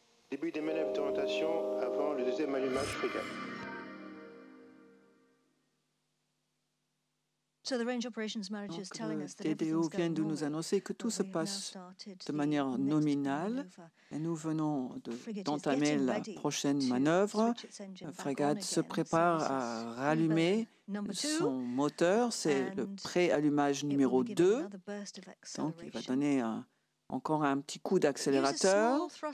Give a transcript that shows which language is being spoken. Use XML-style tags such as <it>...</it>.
<fr>Début des manœuvres d'orientation avant le deuxième allumage frégate.</fr> <en>So the range operations manager is telling us that</en> <fr>TDO vient de nous annoncer que tout se passe de manière nominale et nous venons d'entamer la prochaine manœuvre. La frégate se prépare à rallumer son moteur, c'est le préallumage numéro 2, donc il va donner encore un petit coup d'accélérateur.</fr>